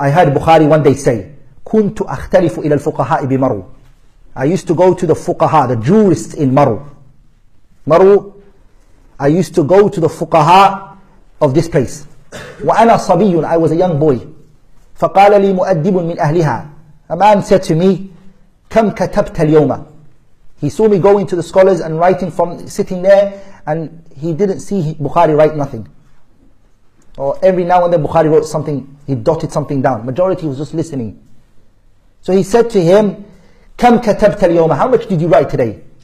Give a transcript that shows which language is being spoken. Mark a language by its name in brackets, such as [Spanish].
[English] I heard Bukhari one day say, [Arabic] كنت أختلف إلى الفقهاء بمرو. [English] I used to go to the fuqaha, the jurists in Maru. Maru, I used to go to the fuqaha of this place. [Arabic] وأنا صبي, [English] I was a young boy. [Arabic] فقال لي مؤدب من أهلها. [English] A man said to me, [Arabic] كم كتبت اليوم. [English] He saw me going to the scholars and writing from sitting there, and he didn't see Bukhari write nothing. Or every now and then Bukhari wrote something, he dotted something down. Majority was just listening. So he said to him, [Arabic] كم كتبت اليوم, [English] how much did you write today?